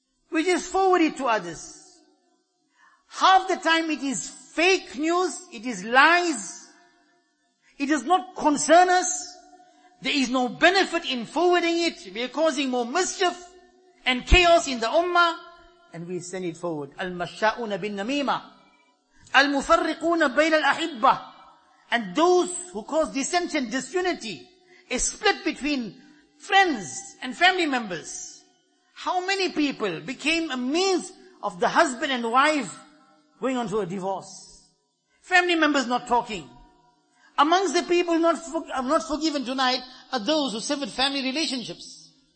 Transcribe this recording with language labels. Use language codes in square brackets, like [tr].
[en] we just forward it to others. Half the time it is fake news, it is lies, it does not concern us. There is no benefit in forwarding it. We are causing more mischief and chaos in the ummah, and we send it forward. [ar] المشاؤون بالنميمة المفرقون بين الأحبة. [en] And those who cause dissension, disunity, a split between friends and family members. How many people became a means of the husband and wife going on to a divorce? Family members not talking. Amongst the people not forgiven tonight are those who severed family relationships.